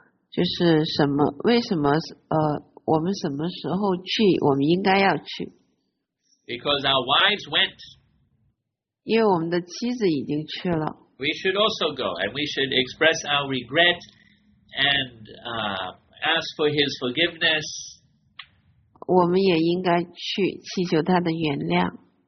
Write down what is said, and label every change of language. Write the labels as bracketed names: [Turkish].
[Chinese] 就是什么，为什么，我们什么时候去，我们应该要去。 [English] Because our wives went. [Chinese] 因为我们的妻子已经去了。 [English] We should also go, and we should express our regret and ask for his forgiveness. [Chinese] 我们也应该去祈求他的原谅。